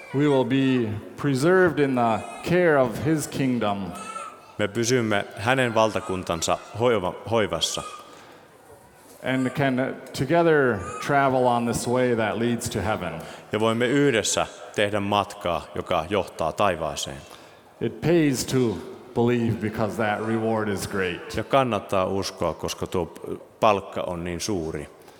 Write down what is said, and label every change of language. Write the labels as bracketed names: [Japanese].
[English] We will be preserved in the care of his kingdom. [Finnish] Me pysymme hänen valtakuntansa hoivassa. [English] And can together travel on this way that leads to heaven. [Finnish] Ja voimme yhdessä tehdä matkaa, joka johtaa taivaaseen. [English] It pays to believe because that reward is great. [Finnish] Ja kannattaa uskoa, koska tuo palkka on niin suuri.